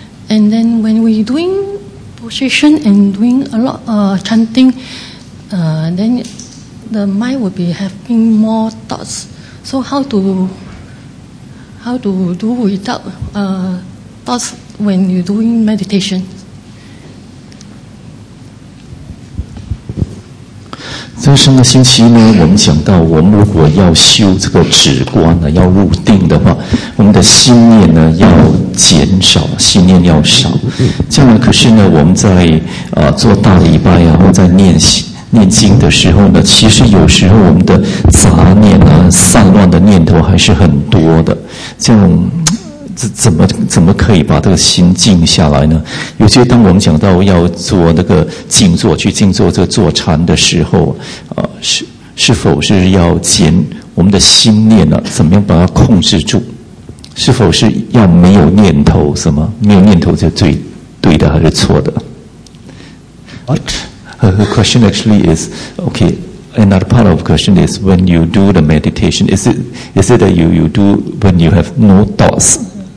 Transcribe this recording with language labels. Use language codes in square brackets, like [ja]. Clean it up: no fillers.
[en] And then when we doing position and doing a lot chanting, then the mind will be having more thoughts. So how to do without thoughts when you doing meditation? [zh] 在上个星期呢，我们讲到，我们如果要修这个止观呢，要入定的话，我们的心念呢要减少，心念要少。这样呢，可是呢，我们在做大礼拜啊，或在念经的时候呢，其实有时候我们的杂念啊、散乱的念头还是很多的。这样，怎么可以把这个心静下来呢？尤其当我们讲到要做那个静坐，去静坐这个坐禅的时候，是否是要减我们的心念呢？怎么样把它控制住？是否是要没有念头？什么没有念头就最对的还是错的 [en] ？What? Her question actually is okay. Another part of the question is when you do the meditation, is it that you do when you have no thoughts?